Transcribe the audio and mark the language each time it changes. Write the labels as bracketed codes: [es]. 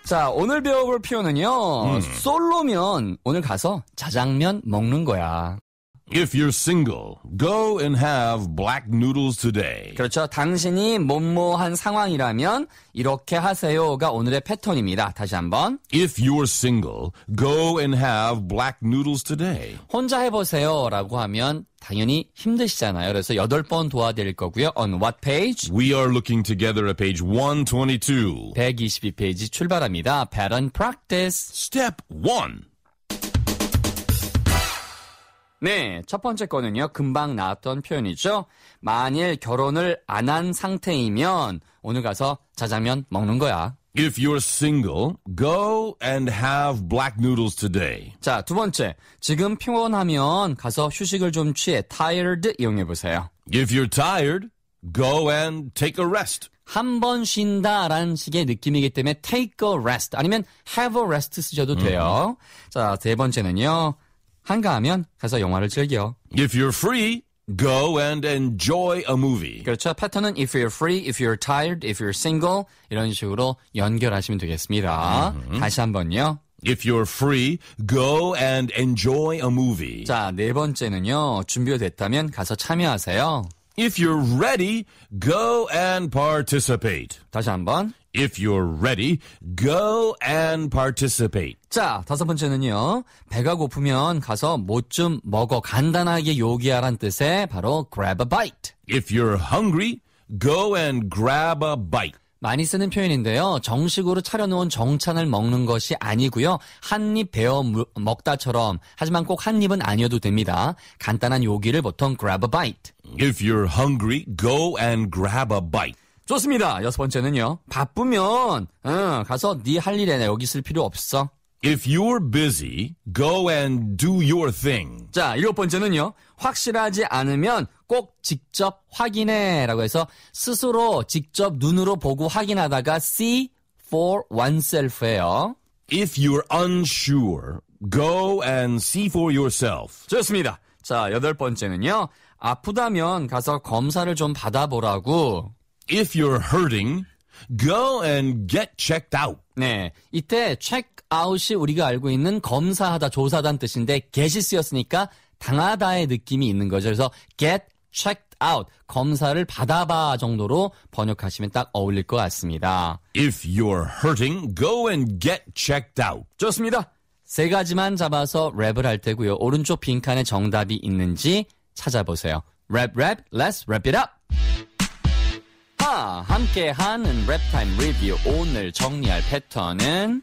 [ko] 자, 오늘 배워볼 표현은요. 솔로면 오늘 가서 자장면 먹는 거야. [en] If you're single, go and have black noodles today. [ko] 그렇죠. 당신이 뭐뭐한 상황이라면 이렇게 하세요가 오늘의 패턴입니다. 다시 한번. [en] If you're single, go and have black noodles today. [ko] 혼자 해보세요라고 하면 당연히 힘드시잖아요. 그래서 여덟 번 도와드릴 거고요. [en] On what page? We are looking together at page 122. [ko] 122페이지 출발합니다. [en] Pattern practice. Step 1. [ko] 네, 첫 번째 거는요. 금방 나왔던 표현이죠. 만일 결혼을 안 한 상태이면 오늘 가서 자장면 먹는 거야. [en] If you're single, go and have black noodles today. [ko] 자, 두 번째. 지금 피곤하면 가서 휴식을 좀 취해 tired 이용해 보세요. [en] If you're tired, go and take a rest. [ko] 한 번 쉰다라는 식의 느낌이기 때문에 [en] take a rest [ko] 아니면 [en] have a rest [ko] 쓰셔도 돼요. 자, 세 번째는요. 한가하면 가서 영화를 즐겨. [en] If you're free, go and enjoy a movie. [ko] 그렇죠. 패턴은 [en] if you're free, if you're tired, if you're single [ko] 이런 식으로 연결하시면 되겠습니다. Mm-hmm. 다시 한번요. [en] If you're free, go and enjoy a movie. [ko] 자, 네 번째는요. 준비됐다면 가서 참여하세요. [en] If you're ready, go and participate. [ko] 다시 한번. [en] If you're ready, go and participate. [ko] 자, 다섯 번째는요. 배가 고프면 가서 뭐 좀 먹어 간단하게 요기하란 뜻에 바로 [en] grab a bite. If you're hungry, go and grab a bite. [ko] 많이 쓰는 표현인데요. 정식으로 차려놓은 정찬을 먹는 것이 아니고요. 한입 베어 먹다처럼 하지만 꼭 한 입은 아니어도 됩니다. 간단한 요기를 보통 [en] grab a bite. If you're hungry, go and grab a bite. [ko] 좋습니다. 여섯 번째는요. 바쁘면 가서 네 할 일에 여기 있을 필요 없어. [en] If you're busy, go and do your thing. [ko] 자, 일곱 번째는요. 확실하지 않으면 꼭 직접 확인해 라고 해서 스스로 직접 눈으로 보고 확인하다가 [en] see for oneself [ko] 예요. [en] If you're unsure, go and see for yourself. [ko] 좋습니다. 자, 여덟 번째는요. 아프다면 가서 검사를 좀 받아보라고. [en] If you're hurting, go and get checked out. [ko] 네, 이때 check out이 우리가 알고 있는 검사하다, 조사단 뜻인데 get이 쓰였으니까 당하다의 느낌이 있는 거죠. 그래서 [en] get checked out, [ko] 검사를 받아봐 정도로 번역하시면 딱 어울릴 것 같습니다. [en] If you're hurting, go and get checked out. [ko] 좋습니다. 세 가지만 잡아서 랩을 할 테고요. 오른쪽 빈칸에 정답이 있는지 찾아보세요. [en] Rap, rap, let's wrap it up. [ko] 함께하는 랩타임 리뷰 오늘 정리할 패턴은